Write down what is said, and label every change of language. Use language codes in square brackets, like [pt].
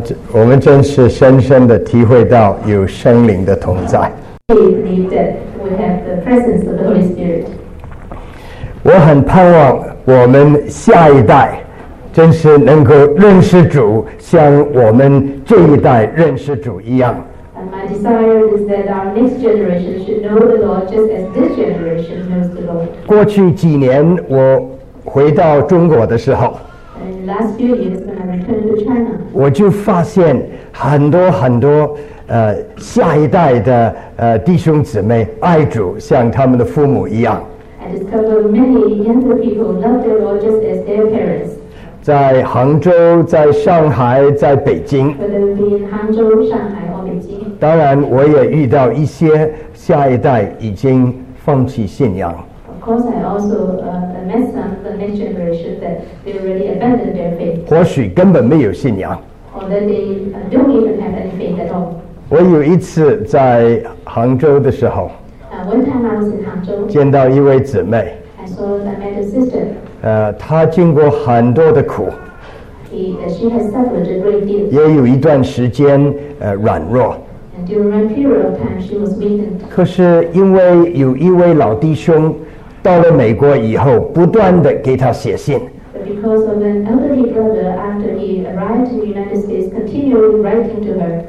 [zh] 我们真是深深的体会到有圣灵的同在。 [en] We believe that we have the presence of the Holy Spirit. [zh] 我很盼望我们下一代真是能够认识主，像我们这一代认识主一样。 [en] And my desire is that our next generation should know the Lord just as this generation knows the Lord. [zh] 过去几年我回到中国的时候。 [en] And last few years when I returned to China. [zh] 我就发现很多很多下一代的弟兄姊妹爱主，像他们的父母一样。 [en] I discovered many younger people love the Lord just as their parents. [zh] 在杭州，在上海，在北京。杭州、上海或北京。当然，我也遇到一些下一代已经放弃信仰。 [en] Of course, I also met some of the next generation that they already abandoned their faith. [zh] 或许根本没有信仰。 [en] Or that they don't even have any faith at all. [zh] 我有一次在杭州的时候。 [en] One time I was in 杭州。 [zh] 见到一位姊妹。 [en] I saw that I met a sister. [zh] 他经过很多的苦 [en] she has suffered a great deal. [zh] 也有一段时间软弱 [en] and during a period of time, she was beaten. [zh] 可是因为有一位老弟兄到了美国以后不断地给他写信 [en] but because of an elderly brother after he arrived in the United States continued writing to her